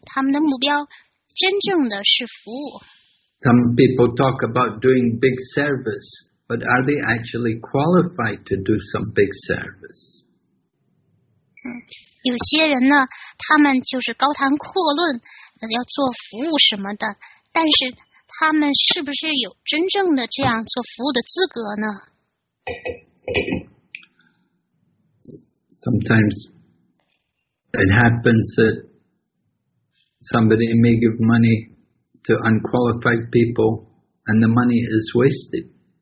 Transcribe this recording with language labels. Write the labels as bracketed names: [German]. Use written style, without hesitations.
[Chinese] 所以您说的话，确实是里面也有一些真理的。当有人呢，就过来向我们要钱的时候，我们自然而然的就会有起一些疑心。我们要确保他们是真心真意的，从事服务，并且他们是他们的目标真正的是服务。 [English] Some people talk about doing big service, but are they actually qualified to do some big service? [Chinese] 有些人呢，他们就是高谈阔论，要做服务什么的，但是他们是不是有真正的这样做服务的资格呢？ [English] Sometimes it happens that somebody may give money to unqualified people and the money is wasted.